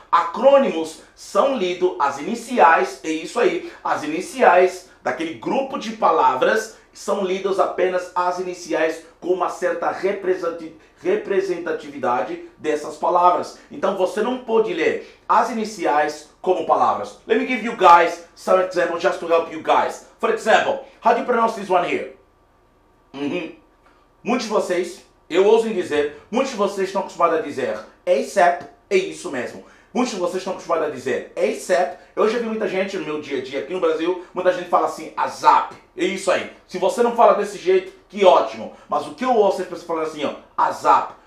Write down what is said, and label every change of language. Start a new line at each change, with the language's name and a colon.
Portuguese: Acrônimos são lidos as iniciais, é isso aí, as iniciais daquele grupo de palavras são lidas apenas as iniciais com uma certa representatividade dessas palavras. Então você não pode ler as iniciais como palavras.
English: Let me give you guys some examples just to help you guys. For example, how do you pronounce this one here? Uhum.
Portuguese: Muitos de vocês, eu ouso dizer, muitos de vocês estão acostumados a dizer ASAP, é isso mesmo. Muitos de vocês estão acostumados a dizer ASAP. Eu já vi muita gente no meu dia a dia aqui no Brasil, muita gente fala assim, ASAP. É isso aí. Se você não fala desse jeito, que ótimo. Mas o que eu ouço é as pessoas falando assim, ó, ASAP.